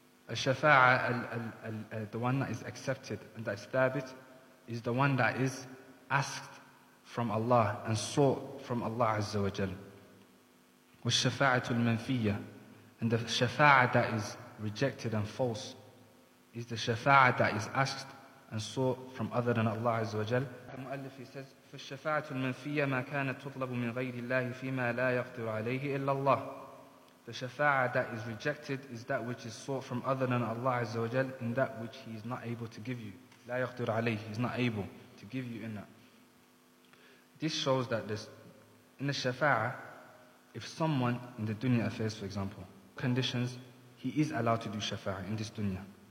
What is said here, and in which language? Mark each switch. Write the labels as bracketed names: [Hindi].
[English] الشفاعة, the one that is accepted and that is ثابت, is the one that is asked from Allah and sought from Allah Azza wa Jal. [Arabic] والشفاعة المنفية, [English] and the شفاعة that is rejected and false, is the شفاعة that is asked and sought from other than Allah Azza wa Jal. The مؤلف, he says, [Arabic] فالشفاعة المنفية ما كانت تطلب من غير الله فيما لا يقدر عليه إلا الله. [English] The shafa'ah that is rejected is that which is sought from other than Allah Azza wa Jal in that which He is not able to give you. [Arabic] لا يقدر عليه, [English] He is not able to give you in that. This shows that this, in the shafa'ah, if someone in the dunya affairs, for example, conditions, he is allowed to do shafa'ah in this dunya.